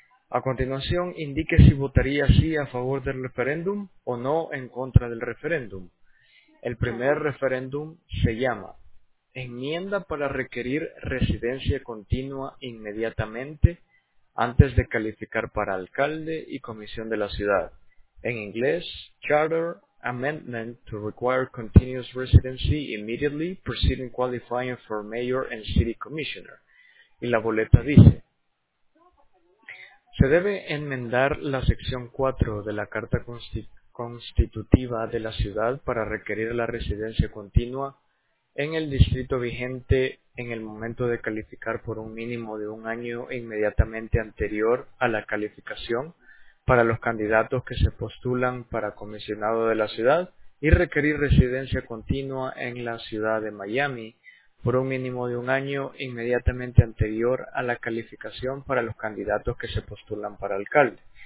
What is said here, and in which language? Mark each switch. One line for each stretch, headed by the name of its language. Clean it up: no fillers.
Spanish: A continuación, indique si votaría sí a favor del referéndum o no en contra del referéndum. El primer referéndum se llama Enmienda para requerir residencia continua inmediatamente antes de calificar para alcalde y comisión de la ciudad. En inglés,
English: Charter Amendment to require continuous residency immediately preceding qualifying for mayor and city commissioner.
Spanish: Y la boleta dice, se debe enmendar la sección 4 de la Carta Constitutiva de la ciudad para requerir la residencia continua en el distrito vigente en el momento de calificar por un mínimo de un año inmediatamente anterior a la calificación para los candidatos que se postulan para comisionado de la ciudad y requerir residencia continua en la ciudad de Miami por un mínimo de un año inmediatamente anterior a la calificación para los candidatos que se postulan para alcalde.